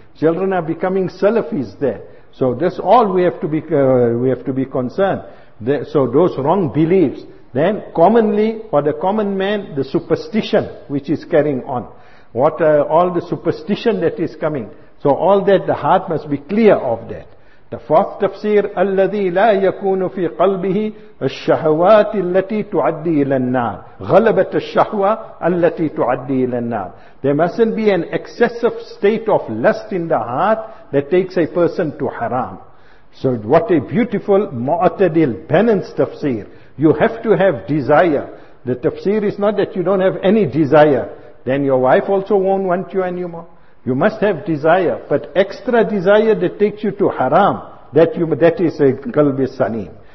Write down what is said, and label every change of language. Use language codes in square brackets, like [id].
[en] Children are becoming Salafis there. So that's all we have to be concerned. So those wrong beliefs, then commonly for the common man, the superstition which is carrying on, what all the superstition that is coming. So all that, the heart must be clear of that. The fourth tafsir, [ar] الذي لا يكون في قلبه الشهوات التي تؤدي إلى النار. غلبة الشهوة التي تؤدي إلى النار. [en] There mustn't be an excessive state of lust in the heart that takes a person to haram. So what a beautiful mu'tadil, balanced tafsir. You have to have desire. The tafsir is not that you don't have any desire. Then your wife also won't want you anymore. You must have desire, but extra desire that takes you to haram, that is a qalbi saneem.